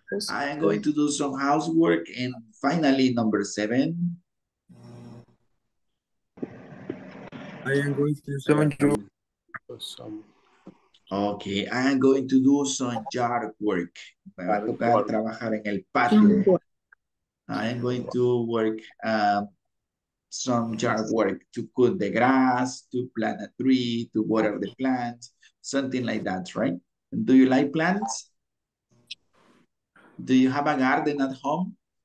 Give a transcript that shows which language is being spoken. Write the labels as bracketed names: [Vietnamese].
[English] I am going to do some housework, and finally, number seven. I am going to Okay, I'm going to do some yard work. [Spanish] Me va a tocar trabajar en el patio. [English] I'm going to work some yard work, to cut the grass, to plant a tree, to water the plants, something like that, right? Do you like plants? Do you have a garden at home?